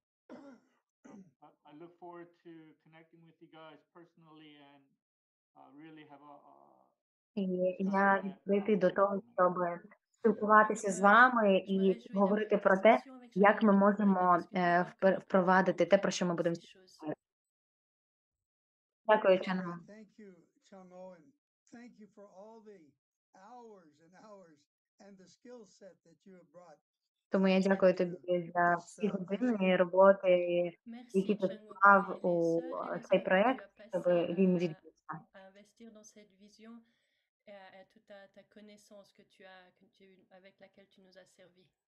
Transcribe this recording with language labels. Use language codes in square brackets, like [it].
[en] I look forward to connecting with you guys personally and really have [uk] я відкритий до того, щоб спілкуватися з вами і говорити про те, як ми можемо впровадити те, про що ми будемо спілкуватися. Дякую, Чанго. [en] Thank you, Chung-ho, and thank you for all the hours and hours and the skill set that you have brought. [uk] Тому я дякую тобі за всі години роботи, які ти вклав у цей проект, щоб він відбувся. [fr] Investir dans cette vision et à toute ta connaissance que tu as avec laquelle tu nous as servi.